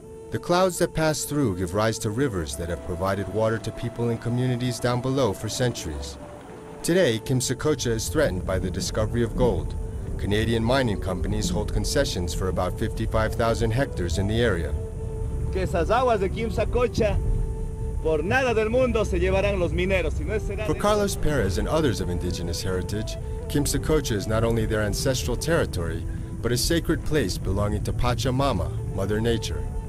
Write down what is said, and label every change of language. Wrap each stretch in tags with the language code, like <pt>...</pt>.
<en>The clouds that pass through give rise to rivers that have provided water to people and communities down below for centuries. Today, Quimsacocha is threatened by the discovery of gold. Canadian mining companies hold concessions for about 55,000 hectares in the area.</en> <es>Que esas aguas de Quimsacocha por nada del mundo se llevarán los mineros.</es> <en>For Carlos Perez and others of indigenous heritage, Quimsacocha is not only their ancestral territory, but a sacred place belonging to Pachamama, Mother Nature.</en>